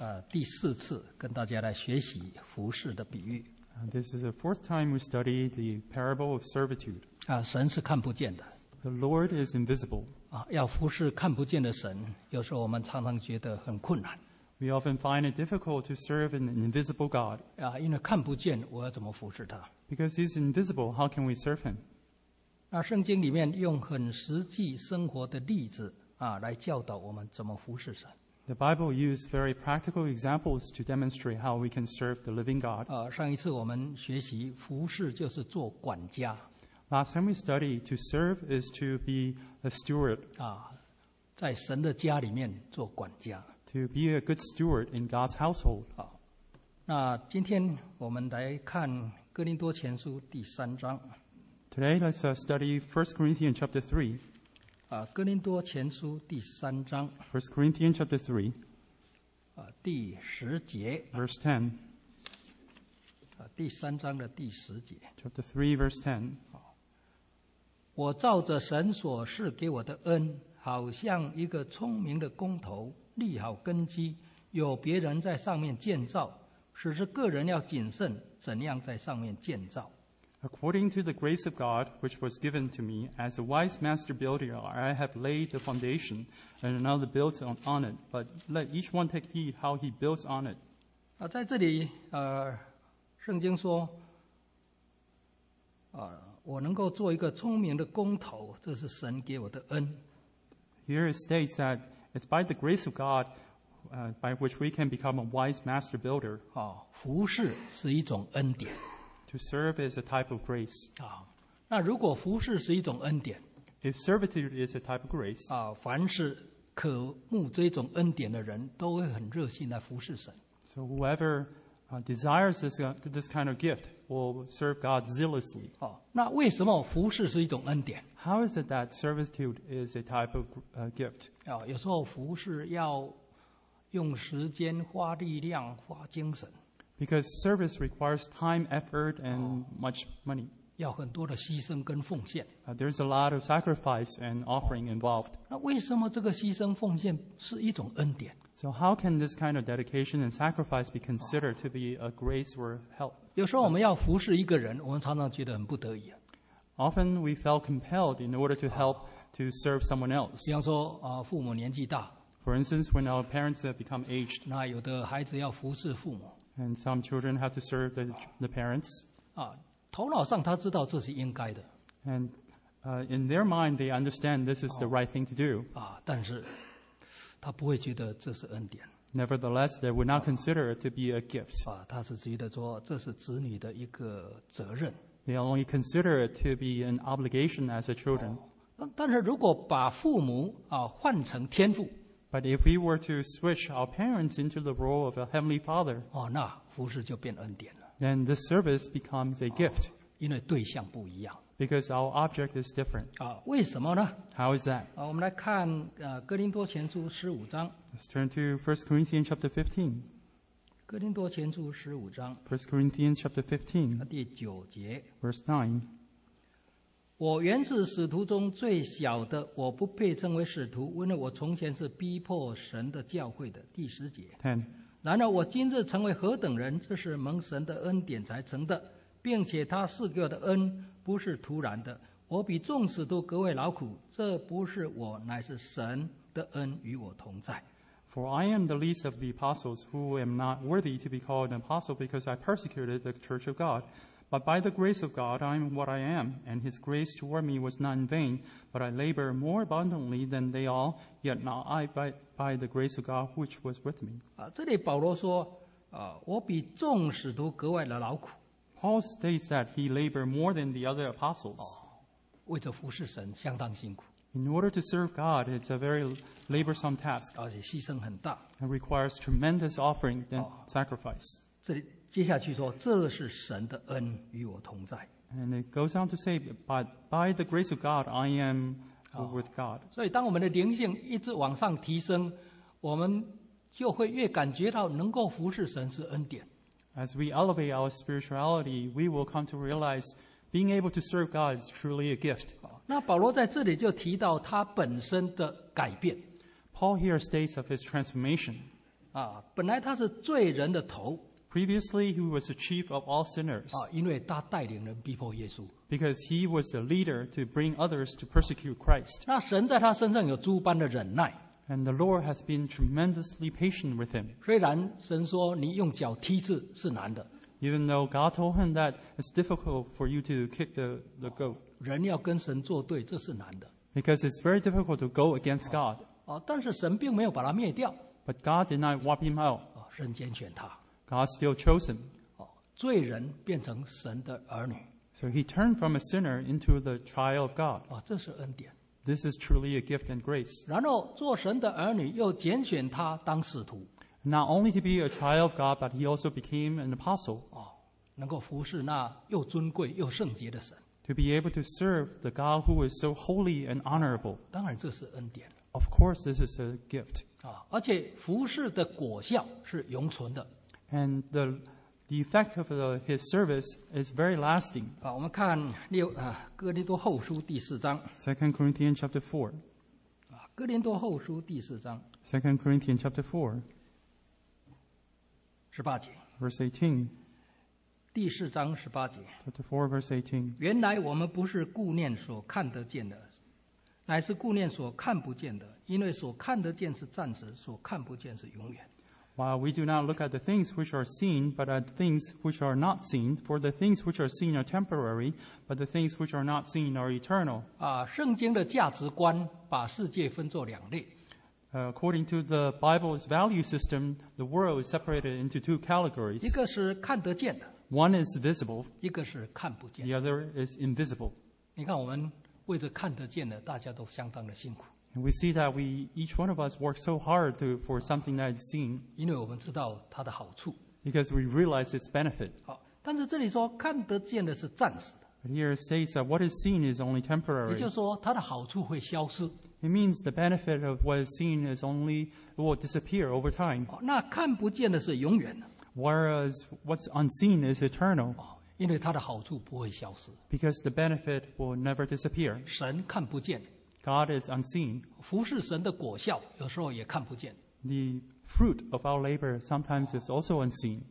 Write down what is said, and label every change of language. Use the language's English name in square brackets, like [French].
[Chinese] 第四次跟大家来学习服事的比喻。 [English] This is the fourth time we study the parable of servitude. [Chinese] 神是看不见的。 [English] The Lord is invisible. [Chinese] 要服事看不见的神，有时候我们常常觉得很困难。 [English] We often find it difficult to serve an invisible God. [Chinese] 因为看不见，我要怎么服事他？ [English] Because he's invisible, how can we serve him? [Chinese] 圣经里面用很实际生活的例子来教导我们怎么服事神。 [English] The Bible uses very practical examples to demonstrate how we can serve the living God. [Chinese] 上一次我们学习服事就是做管家。 [English] Last time we studied, to serve is to be a steward. [Chinese] 在神的家里面做管家。 [English] To be a good steward in God's household. [Chinese] 那今天我们来看哥林多前书第三章。 [English] Today, let's study 1 Corinthians chapter 3. [Chinese] 哥林多前书第三章。 [English] 1 Corinthians chapter 3. [Chinese] 第十节。 [English] Verse 10. [Chinese] 第三章的第十节。 [English] Chapter 3, verse 10. [Chinese] 我照着神所赐给我的恩，好像一个聪明的工头，立好根基，有别人在上面建造，只是个人要谨慎，怎样在上面建造。 [English] According to the grace of God, which was given to me, as a wise master builder, I have laid the foundation, and another builds on it. But let each one take heed how he builds on it. [Chinese] 在这里，圣经说，我能够做一个聪明的工头，这是神给我的恩。 [English] Here it states that it's by the grace of God, by which we can become a wise master builder. [Chinese] 服事是一种恩典。 [English] To serve is a type of grace. [Chinese] 那如果服事是一种恩典， [English] If servitude is a type of grace, [Chinese] 凡是渴慕这种恩典的人，都会很热心来服事神。 [English] So whoever desires this kind of gift will serve God zealously. [Chinese] 那为什么服事是一种恩典？ [English] How is it that servitude is a type of gift? [Chinese] 有时候服事要用时间、花力量、花精神。 [English] Because service requires time, effort, and much money. [Chinese] 要很多的牺牲跟奉献。 [English] There's a lot of sacrifice and offering involved. [Chinese] 那为什么这个牺牲奉献是一种恩典？ [English] So how can this kind of dedication and sacrifice be considered to be a grace or help? [Chinese] 有时候我们要服侍一个人，我们常常觉得很不得已。 [English] Often we felt compelled in order to help to serve someone else. [Chinese] 比方说，父母年纪大。 [English] For instance, when our parents have become aged. [Chinese] 那有的孩子要服侍父母。 [English] And some children have to serve the parents. [Chinese] 头脑上他知道这是应该的。 [English] And in their mind, they understand this is the right thing to do. [Chinese] 但是他不会觉得这是恩典。 [English] Nevertheless, they would not consider it to be a gift. [Chinese] 他是觉得说这是子女的一个责任。 [English] They only consider it to be an obligation as a children. [Chinese] 但是如果把父母换成天父。 [English] But if we were to switch our parents into the role of a heavenly father, [Chinese] 那服事就变恩典了。 [English] Then the service becomes a gift. [Chinese] 因为对象不一样。 [English] Because our object is different. [Chinese] 为什么呢？ [English] How is that? [Chinese] 我们来看哥林多前书十五章。 [English] Let's turn to 1 Corinthians chapter 15. [Chinese] 哥林多前书十五章。 [English] 1 Corinthians chapter 15. [Chinese] 第九节。 [English] Verse 9. [Chinese] 我原是使徒中最小的，我不配称为使徒，因为我从前是逼迫神的教会的。第十节。 [English] 10. [Chinese] 然而我今日成为何等人，这是蒙神的恩典才成的，并且他赐给我的恩不是突然的。我比众使徒格外劳苦，这不是我，乃是神的恩与我同在。 [English] For I am the least of the apostles, who am not worthy to be called an apostle, because I persecuted the church of God. But by the grace of God, I am what I am, and his grace toward me was not in vain, but I labor more abundantly than they all, yet not I, by the grace of God, which was with me. [Chinese] 这里保罗说，我比众使徒格外的劳苦。 [English] Paul states that he labored more than the other apostles. [Chinese] 为着服事神相当辛苦。 [English] In order to serve God, it's a very laborsome task. [Chinese] 而且牺牲很大。 [English] It requires tremendous offering and sacrifice. [Chinese] 这里接下去说，这是神的恩与我同在。 [English] And it goes on to say, but by the grace of God, I am with God. [Chinese] 所以，当我们的灵性一直往上提升，我们就会越感觉到能够服事神是恩典。 [English] As we elevate our spirituality, we will come to realize being able to serve God is truly a gift. [Chinese] 那保罗在这里就提到他本身的改变。 [English] Paul here states of his transformation. [Chinese] 啊，本来他是罪人的头。 [English] Previously, he was the chief of all sinners. [Chinese] 啊，因为他带领人逼迫耶稣。 [English] Because he was the leader to bring others to persecute Christ. [Chinese] 那神在他身上有诸般的忍耐。 [English] And the Lord has been tremendously patient with him. [Chinese] 虽然神说你用脚踢刺是难的。 [English] Even though God told him that it's difficult for you to kick the goat. [Chinese] 人要跟神作对，这是难的。 [English] Because it's very difficult to go against God. [Chinese] 哦，但是神并没有把他灭掉。 [English] But God did not wipe him out. [Chinese] 哦，神拣选他。 [English] God still chose him. [Chinese] 哦，罪人变成神的儿女。 [English] So he turned from a sinner into the child of God. [Chinese] 哦，这是恩典。 [English] This is truly a gift and grace. [Chinese] 然后做神的儿女，又拣选他当使徒。 [English] Not only to be a child of God, but he also became an apostle. [Chinese] 哦，能够服侍那又尊贵又圣洁的神。 [English] To be able to serve the God who is so holy and honorable. [Chinese] 当然这是恩典。 [English] Of course, this is a gift. [Chinese] 啊，而且服侍的果效是永存的。 [English] And the effect of his service is very lasting. [Chinese] 啊，我们看哥林多后书第四章。 [English] Second Corinthians chapter 4. [Chinese] 啊，哥林多后书第四章。 [English] Second Corinthians chapter 4. [Chinese] 十八节。 [English] Verse 18. [Chinese] 第四章十八节 [English] Chapter 4, verse 18. [Chinese] 原来我们不是顾念所看得见的，乃是顾念所看不见的，因为所看得见是暂时，所看不见是永远。 [English] While we do not look at the things which are seen, but at things which are not seen, for the things which are seen are temporary, but the things which are not seen are eternal. [Chinese] 圣经的价值观把世界分作两类。 [English] According to the Bible's value system, the world is separated into two categories. [Chinese] 一个是看得见的。 [English] One is visible, [Chinese] 一个是看不见。 [English] The other is invisible. [Chinese] 你看，我们为着看得见的，大家都相当的辛苦。 [English] And we see that each one of us work so hard for something that is seen. [Chinese] 因为我们知道它的好处。 [English] Because we realize its benefit. [Chinese] 好，但是这里说看得见的是暂时的。 [English] But here it states that what is seen is only temporary. [Chinese] 也就是说，它的好处会消失。 [English] It means the benefit of what is seen is only will disappear over time. [Chinese] 那看不见的是永远的。 [English] Whereas what's unseen is eternal. [Chinese] 因为它的好处不会消失。 [English] Because the benefit will never disappear. [Chinese] 神看不见。 [English] God is unseen. [Chinese] 服侍神的果效有时候也看不见。 [English] The fruit of our labor sometimes is also unseen.